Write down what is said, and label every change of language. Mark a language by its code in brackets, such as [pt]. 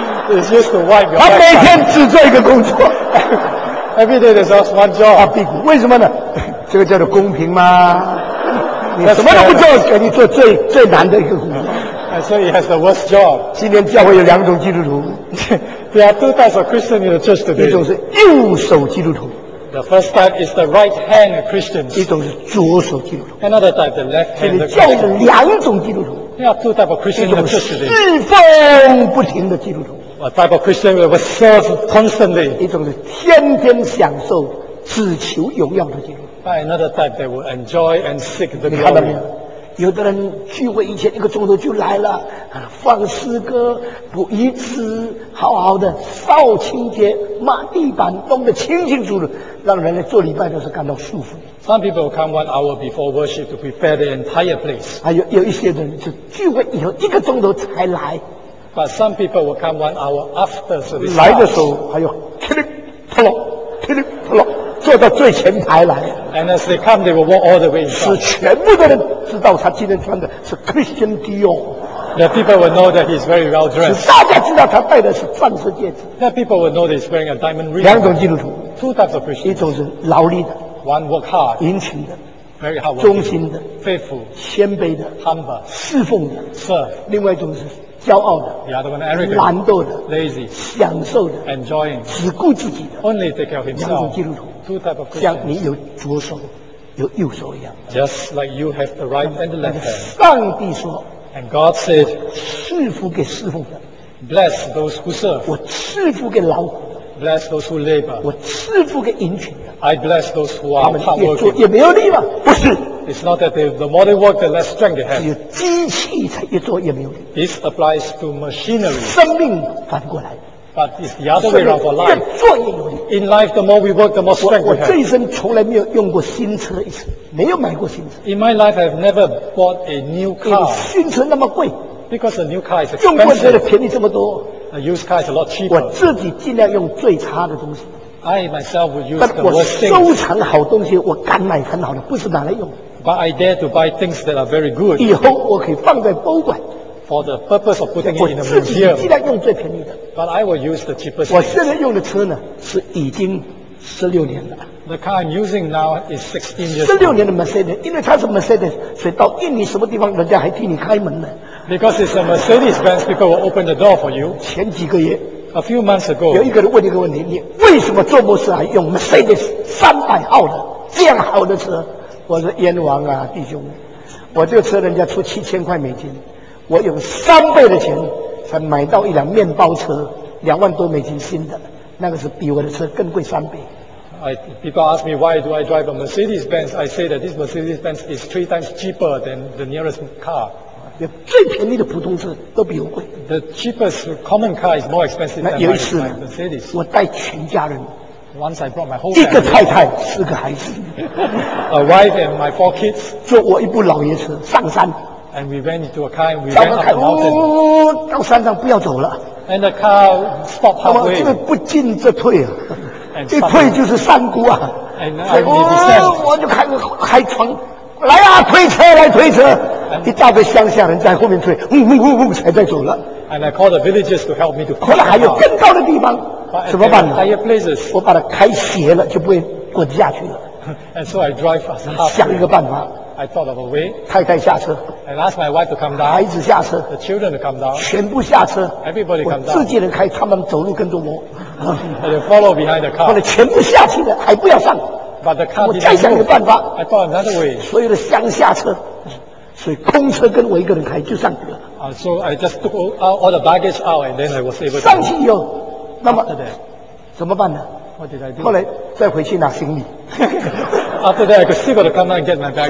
[en] It's just to wipe your [zh] back. 他每天只做一个工作。 [en] Every day there's just one job. [zh] 擦屁股。为什么呢？这个叫做公平吗？你什么都不做，给你做最最难的一个工作。 [en] And so he has the worst job. [zh] 今天教会有两种基督徒。 [en] There are two types of Christians in the church today. [zh] 一种是右手基督徒。 [en] The first type is the right hand Christians. [zh] 一种是左手基督徒。 [en] Another type, the left hand Christians. [zh] 教会有两种基督徒。 [en] There are two types of Christians in the church today. [zh] 一种侍奉不停的基督徒。 [en] A type of Christian will serve constantly. [zh] 一种是天天享受只求荣耀的基督徒。 [en] By another type, they will enjoy and seek the glory. [zh] 你看到没有？有的人聚会以前一个钟头就来了，放诗歌，补遗词，好好的扫清洁，抹地板，弄得清清楚楚，让人来做礼拜都是感到舒服。 [en] Some people come 1 hour before worship to prepare the entire place. [zh] 还有一些人是聚会以后一个钟头才来。 [en] But some people will come 1 hour after service. [zh] 来的时候还有噼里啪啦，噼里啪啦。坐到最前排来 [en] ，and as they come, they will walk all the way in front. [zh] 使全部的人知道他今天穿的是 Christian Dior. [en] The people will know that he's very well dressed. [zh] 使大家知道他戴的是钻石戒指。 [en] The people will know that he's wearing a diamond ring. [zh] 两种基督徒 [en] ，two types of Christians. [zh] 一种是劳力的 [en] ，one work hard. [zh] 殷勤的 [en] ，very hard work. [zh] 忠心的 [en] ，faithful. [zh] 谦卑的 [en] ，humble. [zh] 侍奉的 [en] ，serve. [zh] 另外一种是骄傲的 [en] ，the other one arrogant. [zh] 懒惰的 [en] ，lazy. [zh] 享受的 [en] ，enjoying. [zh] 只顾自己的 [en] ，only take care of himself. [zh] 两种基督徒。像你有左手，有右手一样。 [en] Just like you have the right and the left hand. [zh] 上帝说 [en] ，And God said, [zh] 赐福给侍奉的 [en] ，Bless those who serve. [zh] 我赐福给劳苦 [en] ，Bless those who labor. [zh] 我赐福给殷勤的 [en] ，I bless those who are hard working. [zh] 他们越做越没有力吗？不是 [en] ，It's not that the more they work, the less strength they have. [zh] 只有机器才越做越没有力。 [en] This applies to machinery. [zh] 生命反过来。 [en] But it's the other way around for life. [zh] 越做越有力。 [en] In life, the more we work, the more strength we have. [zh] 我这一生从来没有用过新车一次，没有买过新车。 [en] In my life, I've never bought a new car. [zh] 因为新车那么贵。 [en] Because a new car is expensive. [zh] 用过车的便宜这么多。 [en] A used car is a lot cheaper. [zh] 我自己尽量用最差的东西。 [en] I myself would use the worst things. [zh] 但我收藏好东西，我敢买很好的，不是拿来用。 [en] But I dare to buy things that are very good. [zh] 以后我可以放在博物馆。 [en] For the purpose of putting it in a museum. [zh] 我自己尽量用最便宜的。 [en] But I will use the cheapest. [zh] 我现在用的车呢，是已经16年了。 [en] The car I'm using now is 16 years old. [zh] 16年的 Mercedes， 因为它是 Mercedes， 所以到印尼什么地方，人家还替你开门呢。 [en] Because it's a Mercedes-Benz, people will open the door for you. [zh] 前几个月 [en] ，A few months ago， [zh] 有一个人问一个问题：你为什么做牧师还用 Mercedes 300号的这样好的车？我说冤枉啊，弟兄，我这个车人家出7000块美金。我有3倍的钱才买到一辆面包车，20000多美金新的，那个是比我的车更贵3倍。 [en] People ask me why do I drive a Mercedes Benz? I say that this Mercedes Benz is 3 times cheaper than the nearest car. [zh] 有最便宜的普通车都比我贵。 [en] The cheapest common car is more expensive than my Mercedes. [zh] 我带全家人。 [en] Once I brought my whole family. [zh] 一个太太，四个孩子。 [en] A wife and my 4 kids. [zh] 坐我一部老爷车上山。 [en] And we went into a car and we went up the mountain. [zh] 到山上不要走了。 [en] And the car stopped halfway. [zh] 我们不进则退啊，一退就是山谷啊。 [en] And we descend. [zh] 我就开窗，来啊，推车来推车。一大堆乡下人在后面推，才再走了。 [en] And I called the villagers to help me to. [zh] 后来还有更高的地方，怎么办呢？ [en] Higher places. [zh] 我把它开斜了，就不会滚下去了。 [en] And so I drive fast. [zh] 想一个办法。 [en] I thought of a way. [zh] 太太下车。 [en] And asked my wife to come down. [zh] 孩子下车。 [en] The children to come down. [zh] 全部下车。 [en] Everybody come down. [zh] 我自己人开，他们走路跟着我。 [en] And they follow behind the car. [zh] 后来全部下去了，还不要上。 [en] But the car. [zh] 我再想一个办法。 [en] I thought another way. [zh] 所有的乡下车，所以空车跟我一个人开就上去了。 [en] So I just took all the baggage out and then I was able to. [zh] 上去以后，那么怎么办呢？ [en] What did I do? [zh] 后来再回去拿行李。 [en] After that, I could still go to come down and get my baggage.